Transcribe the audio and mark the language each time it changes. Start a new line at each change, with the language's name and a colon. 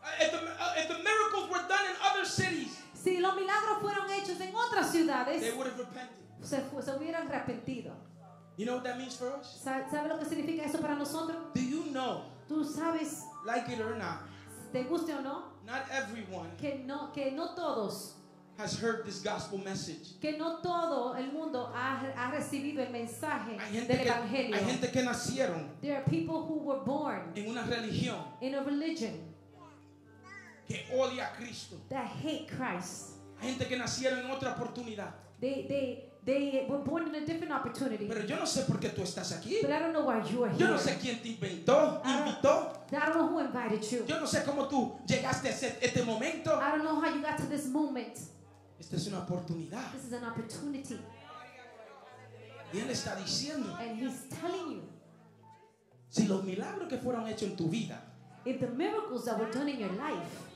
English: If the miracles were done in other cities,
Spanish: si los milagros fueron hechos en otras ciudades,
English: they would have repented.
Spanish: Se hubieran arrepentido.
English: You know what that means for us?
Spanish: ¿Sabe lo que significa eso para nosotros?
English: Do you know?
Spanish: ¿Tú sabes?
English: Like it or not.
Spanish: ¿Te guste o no?
English: Not everyone.
Spanish: Que no todos.
English: Has heard this gospel message.
Spanish: Que no todo el mundo ha recibido el mensaje del evangelio. Hay gente que nacieron.
English: There are people who were born
Spanish: en una religión.
English: In a religion.
Spanish: Que odia a Cristo.
English: That hate Christ.
Spanish: Gente que nacieron en otra oportunidad.
English: They were born in a different opportunity.
Spanish: Pero yo no sé por qué tú estás aquí.
English: But I don't know why you are here.
Spanish: Yo no sé quién te inventó, invitó.
English: I don't know who invited you.
Spanish: Yo no sé cómo tú llegaste a este momento.
English: I don't know how you got to this moment.
Spanish: Esta es una oportunidad.
English: This is an opportunity.
Spanish: Y él está diciendo.
English: And he's telling you.
Spanish: Si los milagros que fueron hechos en tu vida.
English: If the miracles that were done in your life.